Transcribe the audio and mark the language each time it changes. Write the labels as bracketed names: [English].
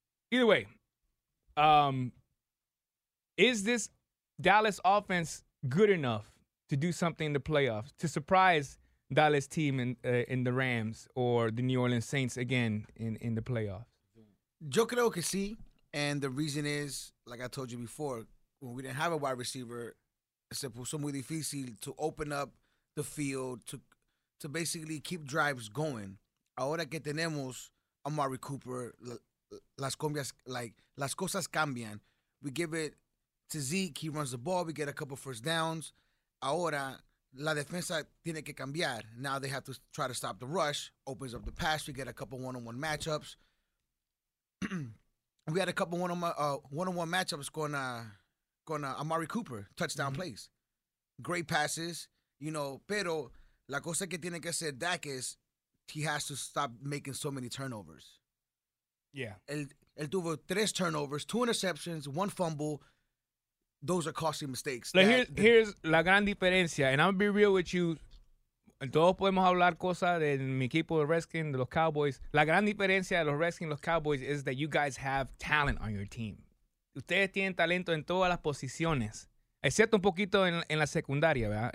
[English] Either way, is this Dallas offense good enough to do something in the playoffs, to surprise Dallas team in the Rams or the New Orleans Saints again in the playoffs? [Spanish] Yo creo que sí. [English] And the reason is, like I told you before, when we didn't have a wide receiver, [Spanish] se puso muy difícil [English] to open up the field, to basically keep drives going. [Spanish] Ahora que tenemos Amari Cooper, las cosas cambian. [English] We give it to Zeke, he runs the ball, we get a couple first downs. [Spanish] Ahora, la defensa tiene que cambiar. [English] Now they have to try to stop the rush, opens up the pass, we get a couple one-on-one matchups. We had a couple one-on-one matchups [Spanish] con Amari Cooper, [English] touchdown plays. Great passes, you know, [Spanish] pero la cosa que tiene que hacer [English] Dak is he has to stop making so many turnovers. Yeah. [Spanish] El tuvo tres turnovers, [English] two interceptions, one fumble. Those are costly mistakes. Like here's [Spanish] la gran diferencia, [English] and I'm going to be real with you. [Spanish] Todos podemos hablar cosas de mi equipo de Redskins, de los Cowboys. La gran diferencia de los Redskins y los Cowboys [English] is that you guys have talent on your team. [Spanish] Ustedes tienen talento en todas las posiciones, excepto un poquito en la secundaria, ¿verdad?